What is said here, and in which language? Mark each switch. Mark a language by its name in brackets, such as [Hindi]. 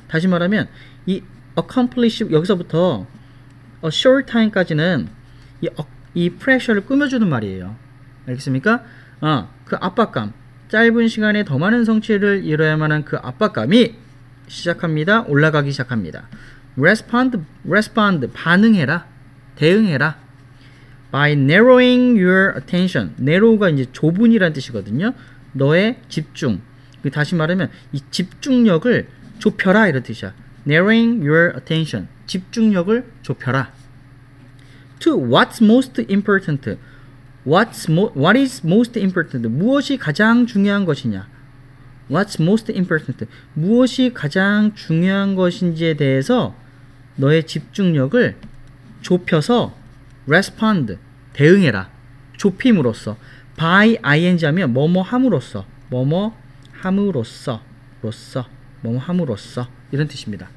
[Korean] 다시 말하면 이 accomplish 여기서부터 a short time까지는 이 프레셔를 꾸며주는 말이에요. 알겠습니까? 그 압박감 짧은 시간에 더 많은 성취를 이뤄야만 하는 그 압박감이 시작합니다. 올라가기 시작합니다. Respond, 반응해라. 대응해라. [English] By narrowing your attention. [Korean] narrow가 이제 좁은이란 뜻이거든요. 너의 집중. 다시 말하면 이 집중력을 좁혀라 이런 뜻이야. [English] Narrowing your attention. [Korean] 집중력을 좁혀라. [English] To what's most important? What is most important? [Korean] 무엇이 가장 중요한 것이냐? [English] What's most important? [Korean] 무엇이 가장 중요한 것인지에 대해서 너의 집중력을 좁혀서 respond 대응해라. 좁힘으로써 by ing 하면 뭐뭐 함으로써 뭐뭐 함으로써 로써 뭐뭐 함으로써 이런 뜻입니다.